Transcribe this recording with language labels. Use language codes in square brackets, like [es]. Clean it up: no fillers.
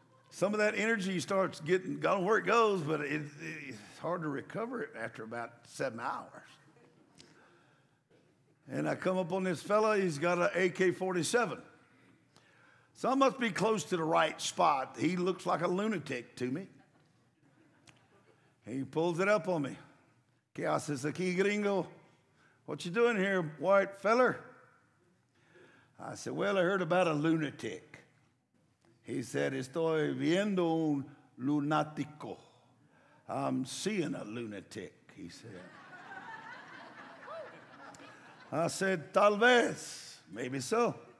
[en] Some of that energy starts getting gone where it goes, but it's hard to recover it after about 7 hours. And I come up on this fella, he's got an AK-47. So I must be close to the right spot. He looks like a lunatic to me. He pulls it up on me. [es] ¿Qué haces aquí, gringo? [en] "What you doing here, white feller?" I said, "Well, I heard about a lunatic." He said, [es] "Estoy viendo un lunático." [en] "I'm seeing a lunatic," he said. I said, [es] "Tal vez, [en] maybe so.